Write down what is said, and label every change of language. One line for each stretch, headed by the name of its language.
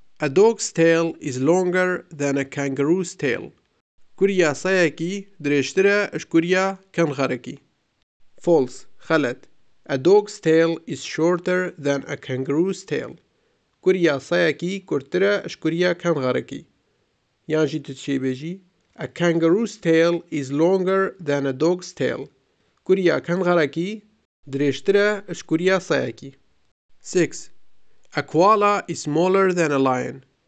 English: A dog's tail is longer than a kangaroo's tail.
Kurdish: کوریا سایکی دریشتره اج کوریا کنغارکی.
English: False. خلط. A dog's tail is shorter than a kangaroo's tail.
Kurdish: کوریا سایکی کورتره اش کوریا کنغارکی. یانجی تو چی بیجی؟
English: A kangaroo's tail is longer than a dog's tail.
Kurdish: کوریا کنغارکی دریشتره اش کوریا سایکی.
English: 6. A koala is smaller than a lion.